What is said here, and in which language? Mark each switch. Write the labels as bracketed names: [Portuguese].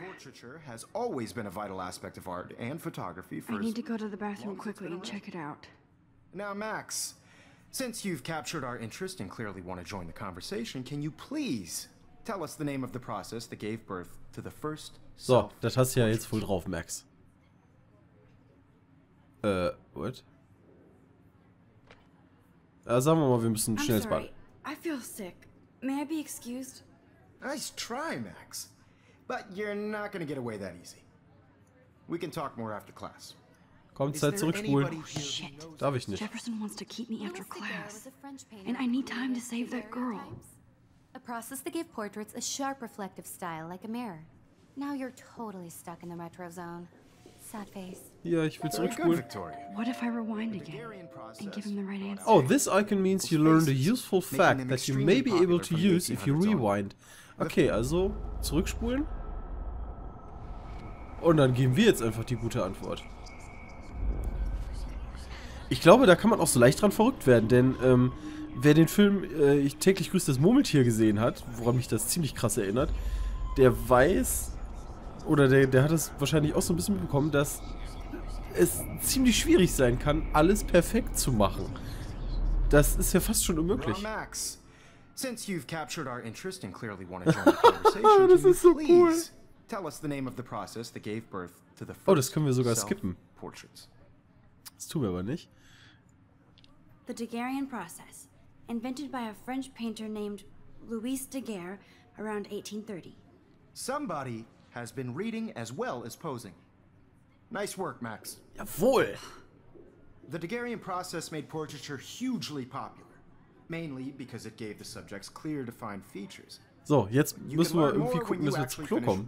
[English] Portraiture has always been a vital aspect of art and photography. I need to go to the bathroom quickly and check it out. Now, Max, since you've captured our interest and clearly want to join the conversation, can you please tell us the name of the process that gave birth to the first [German] So, das hast du ja jetzt voll drauf, Max. [English] What? [German] Sagen wir mal, wir müssen schnell ins Bad. [English] I feel sick. May I be excused? Nice try, Max. But you're not gonna get away that easy. We can talk more after class. [German] Komm, Zeit zurückspulen. [English] Shit. [German] Darf ich nicht. [English] Jefferson wants to keep me after class. And I need time to save that girl. A process that gave portraits a sharp reflective style, like a mirror. Now you're totally stuck in the retro zone. Sad face. [German] Ja, ich will zurückspulen. [English] What if I rewind again and give him the right answer? Oh, this icon means you learned a useful fact that you may be able to use if you rewind. [German] Okay, also zurückspulen. Und dann geben wir jetzt einfach die gute Antwort. Ich glaube, da kann man auch so leicht dran verrückt werden, denn, wer den Film Ich täglich grüße das Murmeltier gesehen hat, woran mich das ziemlich krass erinnert, der weiß, oder der hat das wahrscheinlich auch so ein bisschen mitbekommen, dass es ziemlich schwierig sein kann, alles perfekt zu machen. Das ist ja fast schon unmöglich. [English] Max, since you've captured our interest and clearly want to join the conversation, can you please tell us the name of the process that gave birth to the [German] Oh, das können wir sogar skippen. Das tun wir aber nicht. [English] The Daguerrean process. Invented by a French painter named Louis Daguerre around 1830. Somebody has been reading as well as posing. Nice work, Max. [German] Jawohl! [English] The Daguerrean process made portraiture hugely popular, mainly because it gave the subjects clear defined features. [German] So, jetzt müssen wir irgendwie gucken, dass wir zum Klo kommen.